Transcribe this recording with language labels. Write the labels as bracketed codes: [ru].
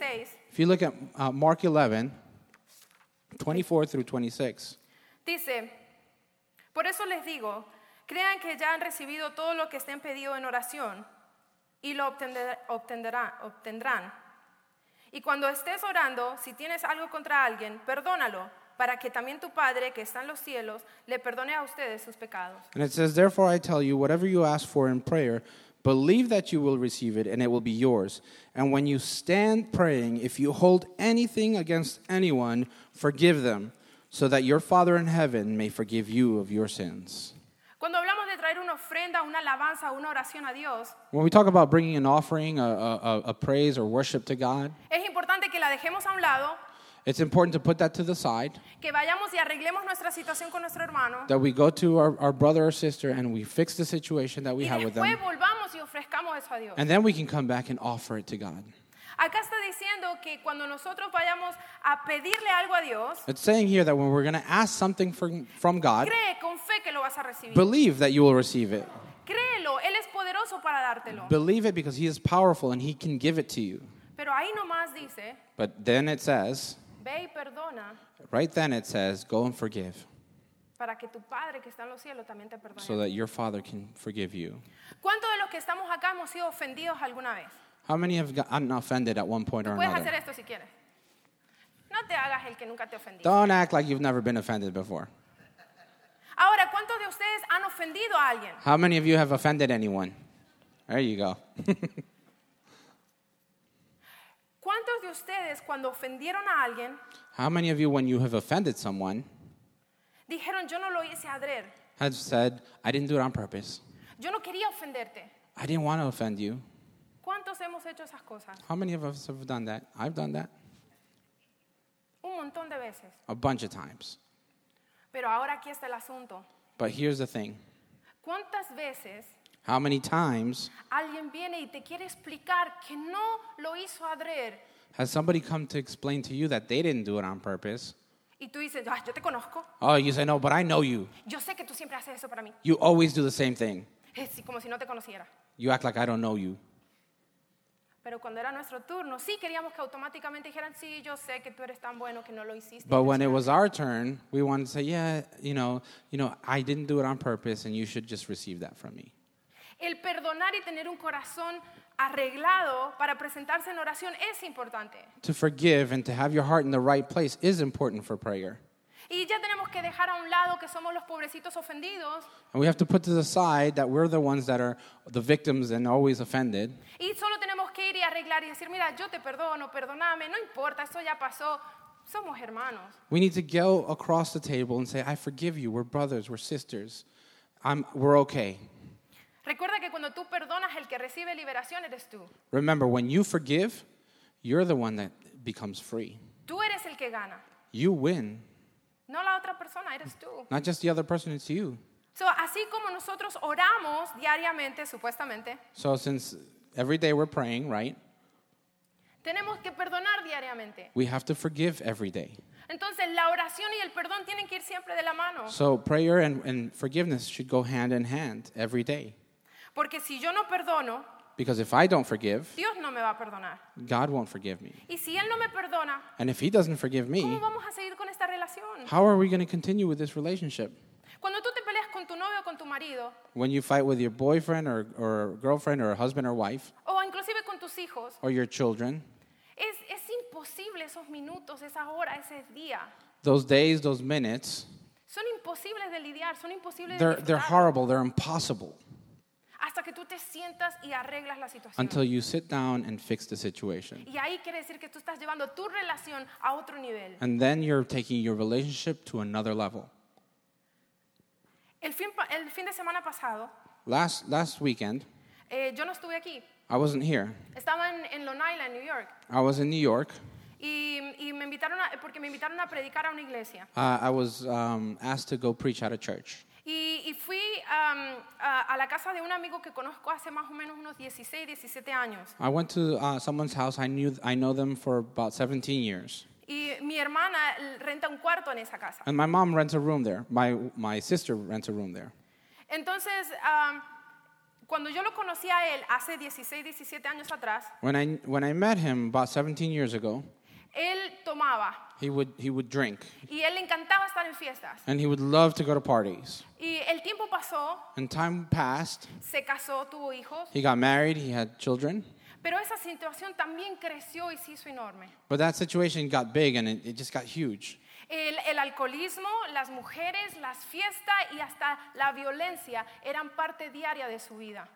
[en] look at, if you look at Mark 11, 24 through 26. [es] Dice, por eso les digo, crean que ya han recibido todo lo que estén pedido en oración. y lo obtendrán. Y cuando estés orando, si tienes algo contra alguien, perdónalo, para que también tu Padre que está en los cielos le perdone a ustedes sus pecados. [en] And it says, therefore I tell you, whatever you ask for in prayer, believe that you will receive it and it will be yours. And when you stand praying, if you hold anything against anyone, forgive them, so that your Father in heaven may forgive you of your sins. [es] Cuando hablamos de traer una ofrenda, una alabanza, una oración a Dios, [en] when we talk about bringing an offering, a praise or worship to God, [es] es importante que la dejemos a un lado. [en] It's important to put that to the side. [es] Que vayamos y arreglemos nuestra situación con nuestro hermano. [en] That we go to our brother or sister and we fix the situation that we [es] y [en] have with them. [es] Después volvamos y ofrezcamos eso a Dios. [en] And then we can come back and offer it to God. [es] Acá está diciendo que cuando nosotros vayamos a pedirle algo a Dios, [en] it's saying here that when we're going to ask something from God, [es] cree con fe que lo vas a recibir. [en] Believe that you will receive it. [es] Créelo, él es poderoso para dártelo. [en] Believe it because he is powerful and he can give it to you. [es] Pero ahí nomás dice, [en] but then it says, [es] ve y perdona. [en] Right then it says, go and forgive. [es] Para que tu padre que está en los cielos también te perdone. [en] So that your father can forgive you. [es] ¿Cuántos de los que estamos acá hemos sido ofendidos alguna vez? [en] How many have gotten offended at one point or [es] puedes [en] another? [es] Hacer esto si quieres. No te hagas el que nunca te ofendiste. [en] Don't act like you've never been offended before. [es] Ahora, ¿cuántos de ustedes han ofendido a alguien? [en] How many of you have offended anyone? There you go. [es] ¿Cuántos de ustedes cuando ofendieron a alguien? [en] How many of you when you have offended someone? [es] Dijeron, yo no lo hice adrede. [en] Have said, I didn't do it on purpose. [es] Yo no quería ofenderte. [en] I didn't want to offend you. [es] ¿Cuántos hemos hecho esas cosas? [en] How many of us have done that? I've done that. [es] Un montón de veces. [en] A bunch of times. [es] Pero ahora aquí está el asunto. [en] But here's the thing. [es] ¿Cuántas veces? [en] How many times? [es] Alguien viene y te quiere explicar que no lo hizo adrede. [en] Has somebody come to explain to you that they didn't do it on purpose? [es] Y tú dices, ah, yo te conozco. [en] Oh, you say, no, but I know you. [es] Yo sé que tú siempre haces eso para mí. [en] You always do the same thing. [es] Es como si no te conociera. [en] You act like I don't know you. [es] Pero cuando era nuestro turno, sí queríamos que automáticamente dijeran, sí, yo sé que tú eres tan bueno que no lo hiciste. [en] But when it was our turn, we wanted to say, yeah, you know, I didn't do it on purpose and you should just receive that from me. [es] El perdonar y tener un corazón arreglado para presentarse en oración es importante. [en] To forgive and to have your heart in the right place is important for prayer. [es] Y ya tenemos que dejar a un lado que somos los pobrecitos ofendidos. [en] And we have to put to the side that we're the ones that are the victims and always offended. [es] Y solo tenemos que ir y arreglar y decir, mira, yo te perdono, perdóname, no importa, eso ya pasó, somos hermanos. [en] We need to go across the table and say, I forgive you, we're brothers, we're sisters, we're okay. [es] Recuerda que cuando tú perdonas, el que recibe liberación eres tú. [en] Remember, when you forgive, you're the one that becomes free. [es] Tú eres el que gana. [en] You win. [es] No la otra persona, eres tú. [en] Not just the other person, it's you. [es] So, así como nosotros oramos diariamente, supuestamente. [en] So, since every day we're praying, right? [es] Tenemos que perdonar diariamente. [en] We have to forgive every day. [es] Entonces, la oración y el perdón tienen que ir siempre de la mano. [en] So, prayer and forgiveness should go hand in hand every day. [es] Porque si yo no perdono, [en] because if I don't forgive, [es] Dios no me va a perdonar. [en] God won't forgive me. [es] Y si él no me perdona, [en] and if he doesn't forgive me, [es] ¿cómo vamos a seguir con esta relación? [en] How are we going to continue with this relationship? [es] Cuando tú te peleas con tu novio o con tu marido, [en] when you fight with your boyfriend or girlfriend or husband or wife, [es] o inclusive con tus hijos, [en] or your children, [es] es imposible esos minutos, esa hora, ese día. [en] Those days, those minutes, [es] son imposibles de lidiar, son imposibles [en] they're, [es] de lidiar. [en] They're horrible, they're impossible. [es] Hasta que tú te sientas y arreglas la situación. [en] Until you sit down and fix the situation. [es] Y ahí quiere decir que tú estás llevando tu relación a otro nivel. [en] And then you're taking your relationship to another level. [es] El fin de semana pasado. [en] Last weekend. [es] Yo no estuve aquí. [en] I wasn't here. [es] Estaba en Long Island, New York. [en] I was in New York. [es] Y me invitaron porque me invitaron a predicar a una iglesia. [en] I was asked to go preach at a church. [es] Y fui a la casa de un amigo que conozco hace más o menos unos 16, 17 años. [en] I went to someone's house. I know them for about 17 years. [es] Y mi hermana renta un cuarto en esa casa. [en] And my mom rents a room there. My sister rents a room there. [es] Entonces, cuando yo lo conocí a él hace 16, 17 años atrás. [en] When I met him about 17 years ago. [es] Él tomaba. [en] He would drink. [es] Y él le encantaba estar en fiestas. [en] And he would love to go to parties. [es] Y el tiempo pasó. [en] And time passed. [es] Se casó, tuvo hijos. [en] He got married. He had children. [es] Pero esa situación también creció y se hizo enorme. [en] But that situation got big and it just got huge. [es] El alcoholismo, las mujeres, las fiestas y hasta la violencia eran parte diaria de su vida.